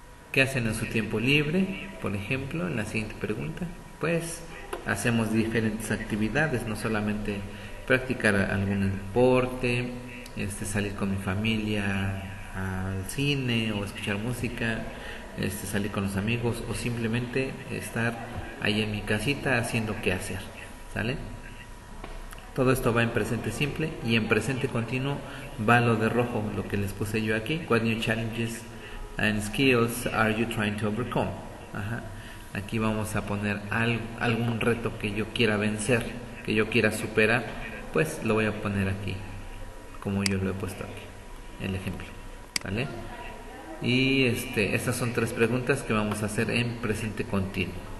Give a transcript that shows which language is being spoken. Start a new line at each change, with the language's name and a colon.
Spanish: ¿Qué hacen en su tiempo libre? Por ejemplo, en la siguiente pregunta, pues hacemos diferentes actividades, no solamente practicar algún deporte, salir con mi familia al cine o escuchar música, salir con los amigos o simplemente estar ahí en mi casita haciendo qué hacer. ¿Sale? Todo esto va en presente simple y en presente continuo va lo de rojo, lo que les puse yo aquí.
English: What new challenges and skills are you trying to overcome? Ajá.
Spanish: Aquí vamos a poner algún reto que yo quiera vencer, que yo quiera superar, pues lo voy a poner aquí, como yo lo he puesto aquí, el ejemplo. ¿Sale? Y estas son tres preguntas que vamos a hacer en presente continuo.